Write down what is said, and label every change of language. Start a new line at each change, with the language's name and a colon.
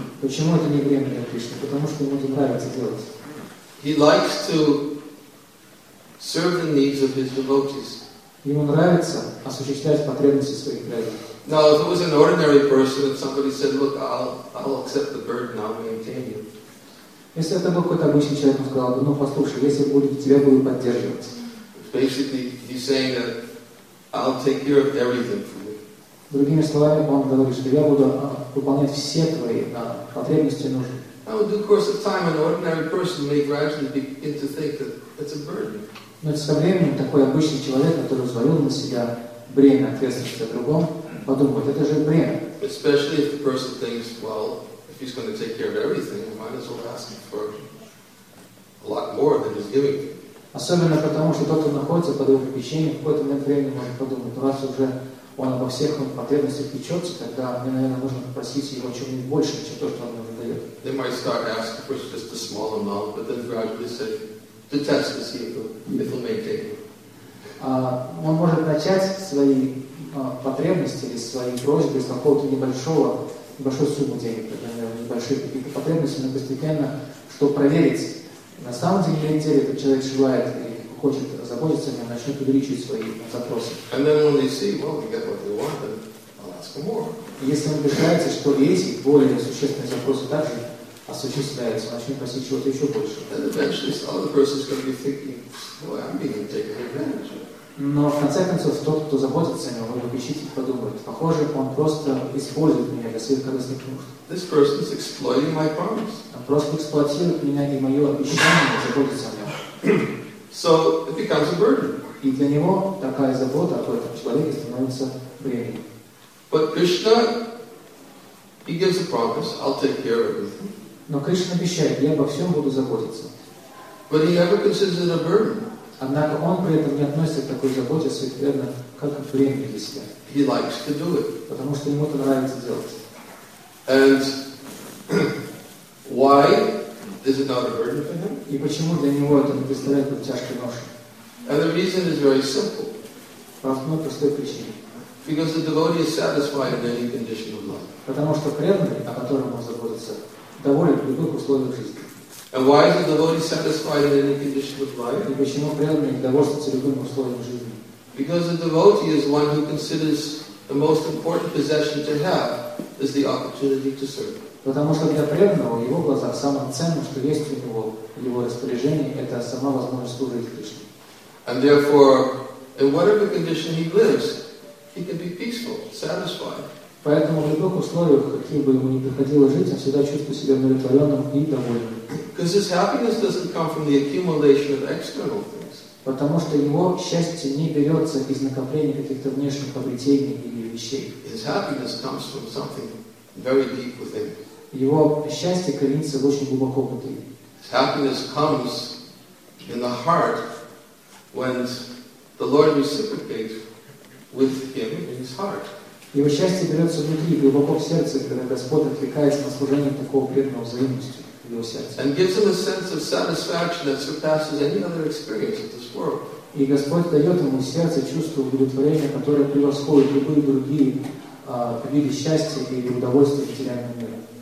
Russian: Почему это не бремя для Кришны? Потому что ему это нравится делать.
English: He likes to serve the needs of his devotees.
Russian: Ему нравится осуществлять потребности своих преданных.
English: Now, if it was an ordinary person, if somebody said, look, I'll accept the burden, I'll maintain you.
Russian: Если это был какой-то обычный человек, он сказал бы, ну послушай, если будет, тебя будут поддерживать.
English: Basically, he's saying that I'll take care of everything for you.
Russian: Другими словами, он говорит, что я буду выполнять все твои потребности и нужды.
English: Now, in due course of time, an ordinary person may gradually begin to think that it's a burden.
Russian: Но со временем такой обычный человек, который взвалил на себя бремя ответственности о другом, подумает, это же бремя.
English: Especially if the person thinks, well, if he's going to take care of everything, he might as well ask for a lot more than he's giving.
Russian: Особенно потому, что тот, кто находится под его попечением, в какой-то момент времени может подумать, раз уже он обо всех потребностях печется, тогда мне, наверное, нужно попросить его чего-нибудь больше, чем то, что он ему дает.
English: They might start asking for just a small amount, but then gradually say, to test to see if it'll maintain.
Russian: Он может начать свои потребности или свои просьбы с какого-то небольшой суммы денег, например, небольшие какие-то потребности, но постепенно, чтобы проверить, на самом деле этот человек желает и хочет заботиться о нем, начнет увеличивать свои запросы.
English: And then when they see, well, they get what they want, then I'll ask for more.
Russian: Если он убеждается, что эти более существенные запросы также осуществляется, начнет просить чего-то еще больше.
English: And eventually, the other person is going to be thinking, boy, I'm being taken advantage of.
Russian: Но в конце концов, тот, кто заботится о нем, он попечитель подумает, похоже, он просто использует меня для своих корыстных нужд.
English: This person is exploiting my promise.
Russian: Он просто эксплуатирует меня и мое обещание, заботится о нем.
English: So, it becomes a burden.
Russian: И для него такая забота о этом человеке становится бременем.
English: But Krishna, he gives a promise, I'll take care of everything.
Russian: Но Кришна обещает, я обо всем буду заботиться.
English: But he never considers it a burden.
Russian: Однако он при этом не относится к такой заботе о своих преданных, как к времени для себя.
English: He likes to do it.
Russian: Потому что ему это нравится делать.
English: And why is it not a burden for him?
Russian: И почему для него это не представляет тяжкой ноши?
English: And the reason is very simple.
Russian: по одной простой причине.
English: Because the devotee is satisfied in any condition of life.
Russian: Потому что преданный, о котором он заботится, доволен в любых условиях жизни.
English: And why is the devotee satisfied in any condition of life?
Russian: И почему преданный довольствуется любым условием жизни?
English: Because the devotee is one who considers the most important possession to have is the opportunity to serve.
Russian: Потому что для преданного в его глазах самым ценным, что есть у него в его распоряжении, это сама возможность служить Кришне.
English: And therefore, in whatever condition he lives, he can be peaceful, satisfied.
Russian: Поэтому в любых условиях, каким бы ему ни приходилось жить, он всегда чувствует себя удовлетворенным и довольным.
English: Because his happiness doesn't come from the accumulation of external things.
Russian: Потому что его счастье не берется из накопления каких-то внешних обретений или вещей.
English: His happiness comes from something very deep within.
Russian: Его счастье коренится в очень глубоко внутри.
English: His happiness comes in the heart when the Lord reciprocates with him in his heart.
Russian: Его счастье берется внутри, глубоко в сердце, когда Господь отвлекается на служение такого преданного взаимностью в его сердце.
English: And gives him a sense of satisfaction that surpasses any other experience of this world.
Russian: И Господь дает ему сердце чувство удовлетворения, которое превосходит любые другие виды счастья или удовольствия в материальном мире.